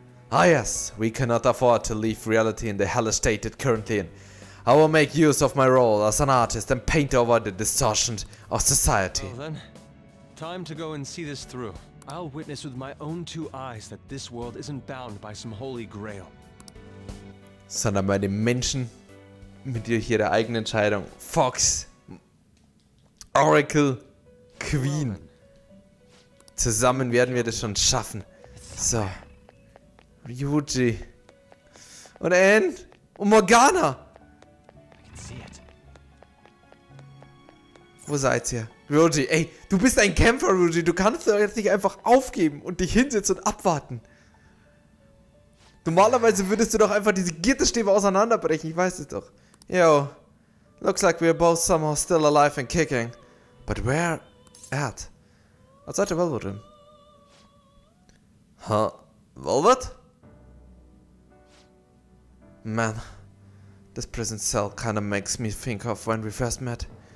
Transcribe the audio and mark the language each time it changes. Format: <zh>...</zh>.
<en>Ah yes, we cannot afford to leave reality in the hellish state it's currently in. I will make use of my role as an artist and paint over the distortion of society. Well then, time to go and see this through. I'll witness with my own two eyes that this world isn't bound by some holy grail.</en> <de>Sondern bei den Menschen mit ihrer eigenen Entscheidung. Fox, Oracle, Queen. Zusammen werden wir das schon schaffen. So. Ryuji. Und Anne. Und Morgana.</de> <en>I can see it.</en> <de>Wo seid ihr? Ryuji, ey, du bist ein Kämpfer, Ryuji. Du kannst doch jetzt nicht einfach aufgeben und dich hinsetzen und abwarten. Normalerweise würdest du doch einfach diese Gitterstäbe auseinanderbrechen. Ich weiß es doch. Yo.</de> <en>Looks like we're both somehow still alive and kicking. But where at? Outside the Velvet Room. Huh? Velvet? Man, this prison cell kinda makes me think of when we first met.</en>